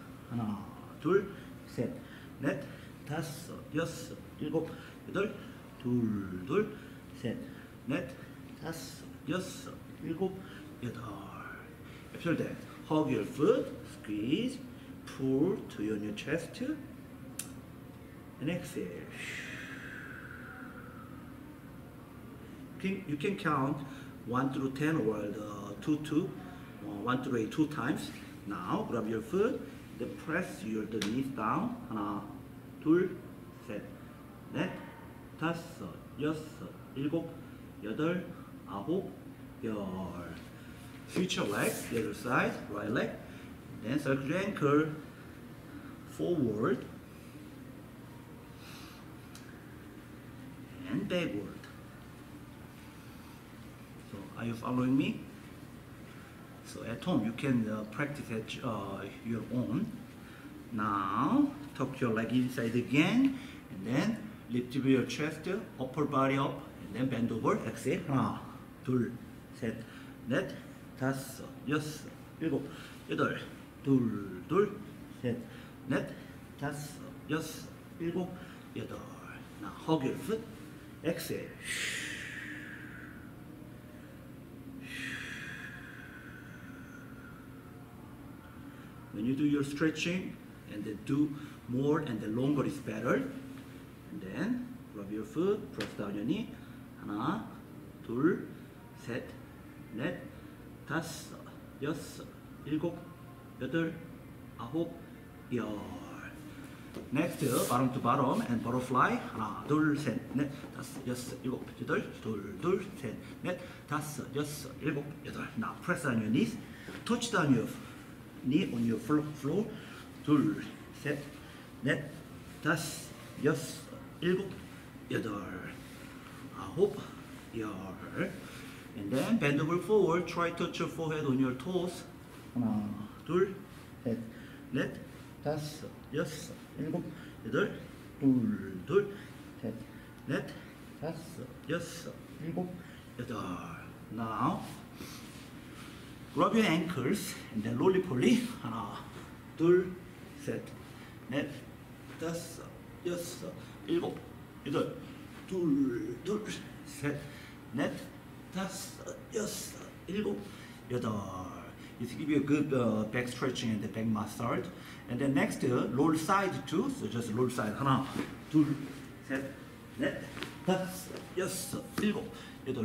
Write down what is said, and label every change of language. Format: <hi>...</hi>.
<ko>하나, 둘, 셋, 넷, 다섯, 여섯, 일곱, 여덟, 둘, 둘, 셋, 넷, 다섯, 여섯, 일곱, 여덟.</ko> <en>After that, hug your foot, squeeze, pull to your chest, and exhale. You can count 1 through 10 or 2 times. Now, grab your foot the press your the knees down.</en> <ko>하나, 둘, 셋, 넷, 다섯, 여섯, 일곱, 여덟, 아홉, 열.</ko> <en>Switch your leg, the other side, right leg. Then circle your ankle. Forward. And backward. So, are you following me? So at home, you can practice at your own. Now, tuck your leg inside again, and then lift up your chest, upper body up, and then bend over, exhale.</en> <ko>하나, 둘, 셋, 넷, 다섯, 여섯, 일곱, 여덟, 둘, 둘, 셋, 넷, 다섯, 여섯, 일곱, 여덟.</ko> <en>Now, hug your foot, exhale. When you do your stretching, and then do more and the longer is better. And then, rub your foot, press down your knee.</en> <ko>하나, 둘, 셋, 넷, 다섯, 여섯, 일곱, 여덟, 아홉, 열.</ko> <en>Next, bottom to bottom and butterfly.</en> <ko>하나, 둘, 셋, 넷, 다섯, 여섯, 일곱, 여덟, 둘, 둘, 셋, 넷, 다섯, 여섯, 일곱, 여덟.</ko> <en>Now, press on your knees, touch down your knee on your floor.</en> <ko>둘, 셋, 넷, 다섯, 여섯, 일곱, 여덟, 아홉, 열.</ko> <en>And then bend over forward, try to touch your forehead on your toes.</en> <ko>하나, 둘, 셋, 넷, 다섯, 여섯, 일곱, 여덟, 둘, 둘, 셋, 넷, 다섯, 여섯, 일곱, 여덟.</ko> <en>Now, grab your ankles and then roly-poly.</en> <ko>하나, 둘, 셋, 넷, 다섯, 여섯, 일곱, 여덟, 둘, 둘, 셋, 넷, 다섯, 여섯, 일곱, 여덟.</ko> <en>It's give you a good back stretching and the back massage. And then next, roll side too. So just roll side.</en> <ko>하나, 둘, 셋, 넷, 다섯, 여섯, 일곱, 여덟.</ko>